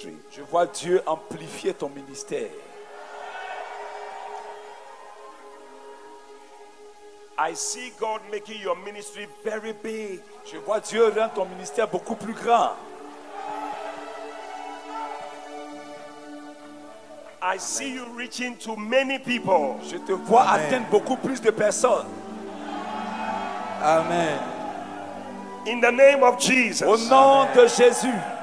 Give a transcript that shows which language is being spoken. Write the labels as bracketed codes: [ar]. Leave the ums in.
[fr] Je vois Dieu amplifier ton ministère. [en] I see God making your ministry very big. [fr] Je vois Dieu rendre ton ministère beaucoup plus grand. [en] I see you reaching to many people. [fr] Je te vois Amen. atteindre beaucoup plus de personnes. Amen. [en] In the name of Jesus. [fr] Au nom de Jésus.